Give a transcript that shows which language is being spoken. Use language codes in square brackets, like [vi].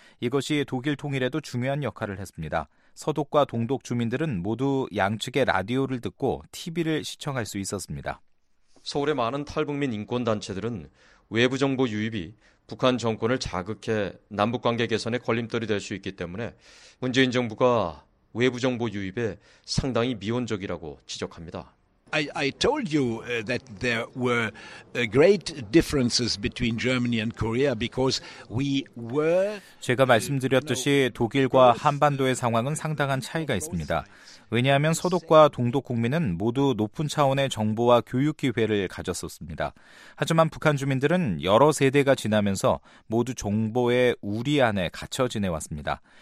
[ko] 이것이 독일 통일에도 중요한 역할을 했습니다. 서독과 동독 주민들은 모두 양측의 라디오를 듣고 TV를 시청할 수 있었습니다. 서울의 많은 탈북민 인권단체들은 외부 정보 유입이 북한 정권을 자극해 남북관계 개선에 걸림돌이 될 수 있기 때문에 문재인 정부가 외부 정보 유입에 상당히 미온적이라고 지적합니다. [en] I told you that there were great differences between Germany and Korea because we were [ko] 제가 말씀드렸듯이 독일과 한반도의 상황은 상당한 차이가 있습니다. 왜냐하면 서독과 동독 국민은 모두 높은 차원의 정보와 교육 기회를 가졌었습니다. 하지만 북한 주민들은 여러 세대가 지나면서 모두 정보의 우리 안에 갇혀 지내왔습니다.